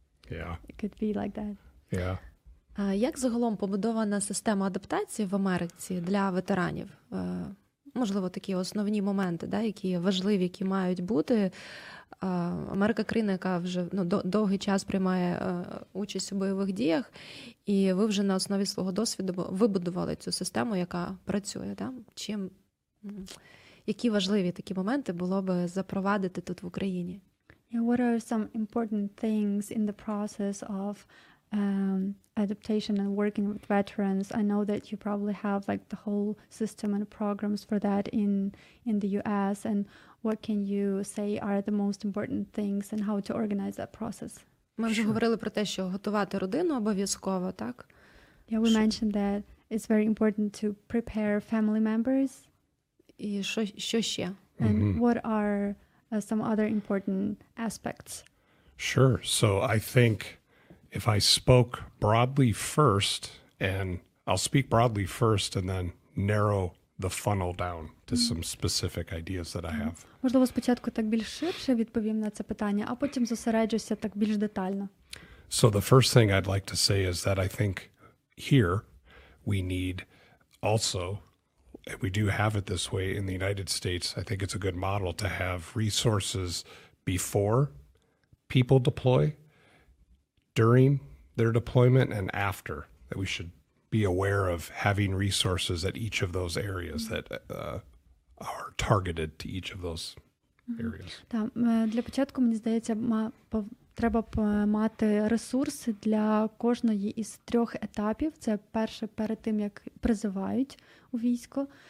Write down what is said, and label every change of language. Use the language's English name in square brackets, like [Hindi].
[English] yeah, it could be like that. Yeah. [Ukrainian] Як загалом побудована система адаптації в Америці для ветеранів? Можливо, такі основні моменти, да, які важливі, які мають бути. Америка країна, яка вже довгий час приймає участь у бойових діях, і ви вже на основі свого досвіду вибудували цю систему, яка працює. Да? Чим, які важливі такі моменти було б запровадити тут в Україні? [English] Yeah, what are some important things in the process of adaptation and working with veterans? I know that you probably have like the whole system and programs for that in the US, and what can you say are the most important things and how to organize that process? [Ukrainian] Ми вже говорили про те, що готувати родину обов'язково, так? [English] Yeah, we mentioned that it's very important to prepare family members. [Ukrainian] І що ще? [English] And what are some other important aspects? Sure. So I think if I spoke broadly first, and I'll speak broadly first and then narrow the funnel down to some specific ideas that I have. [Ukrainian] Можливо, спочатку так більш ширше відповім на це питання, а потім зосереджуся так більш детально. [English] So the first thing I'd like to say is that I think here we need also, we do have it this way in the United States, I think it's a good model to have resources before people deploy, during their deployment, and after, that we should be aware of having resources at each of those areas that are targeted to each of those areas. [Ukrainian] Так, для початку, мені здається, треба мати ресурси для кожної із трьох етапів. Це перше, перед тим, як призивають у військо.